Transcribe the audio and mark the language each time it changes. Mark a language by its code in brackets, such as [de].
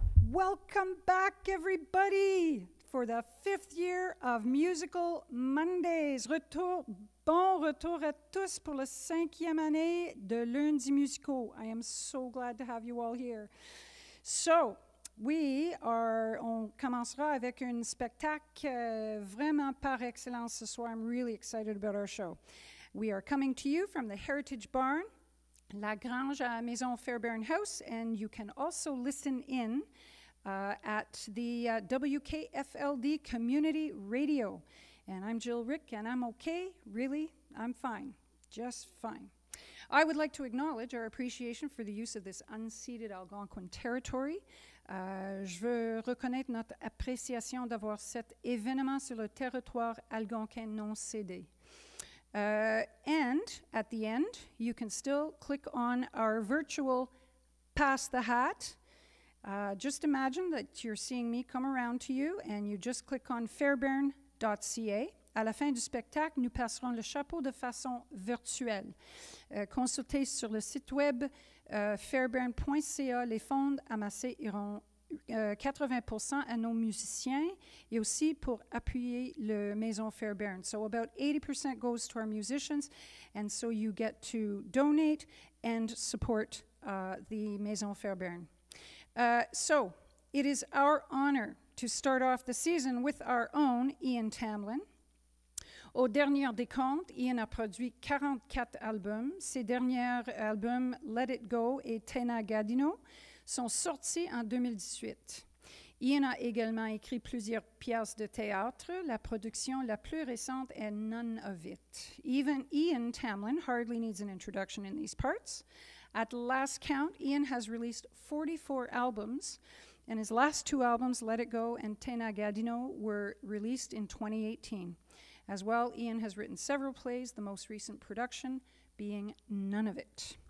[en] Welcome back, everybody, for the fifth year of Musical Mondays. [fr] Bon retour à tous pour la cinquième année de Lundi Musicaux. [en] I am so glad to have you all here. [fr] So, on commencera avec un spectacle vraiment par excellence ce soir. [en] I'm really excited about our show. We are coming to you from the Heritage Barn, La Grange à Maison Fairbairn House, and you can also listen in at the WKFLD Community Radio. And I'm Jill Rick, and I'm okay, really, I'm fine, just fine. I would like to acknowledge our appreciation for the use of this unceded Algonquin territory. [fr] Je veux reconnaître notre appréciation d'avoir cet événement sur le territoire algonquin non cédé. [en] And at the end, you can still click on our virtual Pass the Hat. Just imagine that you're seeing me come around to you and you just click on fairbairn.ca. [fr] À la fin du spectacle, nous passerons le chapeau de façon virtuelle. Consultez sur le site web fairbairn.ca. Les fonds amassés iront 80% à nos musiciens et aussi pour appuyer le Maison Fairbairn. [en] So about 80% goes to our musicians, and so you get to donate and support the Maison Fairbairn. So it is our honor to start off the season with our own Ian Tamblyn. [fr] Au dernier décompte, Ian a produit 44 albums. Ses derniers albums, Let It Go et Te Na Gadino, sont sortis en 2018. Ian a également écrit plusieurs pièces de théâtre. La production la plus récente est Nun of It. [en] Even Ian Tamblyn hardly needs an introduction in these parts. At last count, Ian has released 44 albums, and his last two albums, Let It Go and Te Na Gadino, were released in 2018. As well, Ian has written several plays, the most recent production being Nun of It.